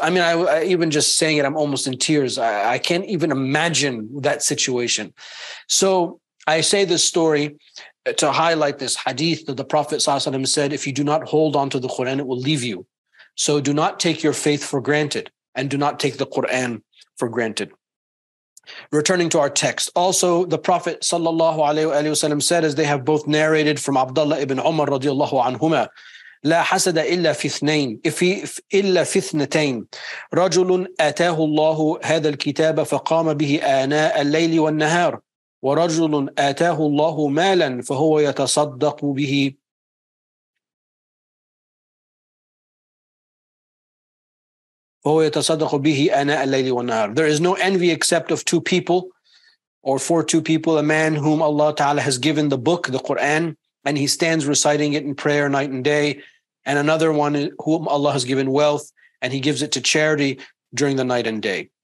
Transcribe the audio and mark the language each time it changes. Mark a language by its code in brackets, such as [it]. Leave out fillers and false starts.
[en] I mean, I even just saying it, I'm almost in tears. I can't even imagine that situation. So I say this story to highlight this hadith that the Prophet ﷺ said, if you do not hold on to the Quran, it will leave you. So do not take your faith for granted, and do not take the Quran for granted. Returning to our text, also the Prophet sallallahu alaihi wasallam said, as they have both narrated from Abdullah ibn Umar radiyallahu anhuma, [ar] لا حسد إلا في اثنين إلا في اثنتين رجل آتاه الله هذا الكتاب فقام به آناء الليل والنهار ورجل آتاه الله مالا فهو يتصدق به. [en] There is no envy except of two people, or for two people, a man whom Allah Ta'ala has given the book, the Quran, and he stands reciting it in prayer night and day, and another one whom Allah has given wealth, and he gives it to charity during the night and day.